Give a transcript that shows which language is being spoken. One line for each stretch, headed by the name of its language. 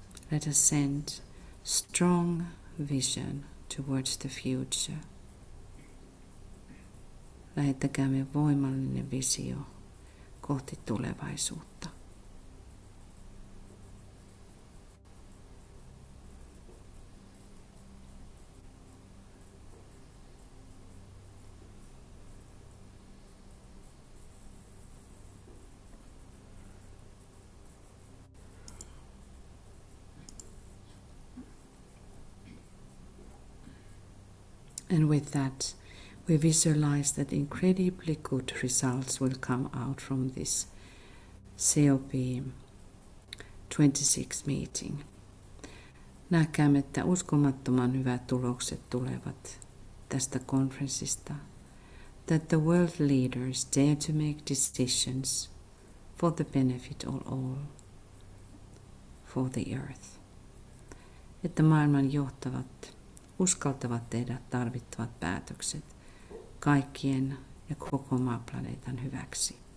English: Let us send strong vision towards the future.
Finnish: Lähettäkäämme voimallinen visio kohti tulevaisuutta.
English: And with that, we visualize that incredibly good results will come out from this COP26 meeting.
Finnish: Näkemme, että uskomattoman hyvät tulokset tulevat tästä konferenssista.
English: That the world leaders dare to make decisions for the benefit of all, for the earth.
Finnish: Että maailman johtavat uskaltavat tehdä tarvittavat päätökset kaikkien ja koko maaplaneetan hyväksi.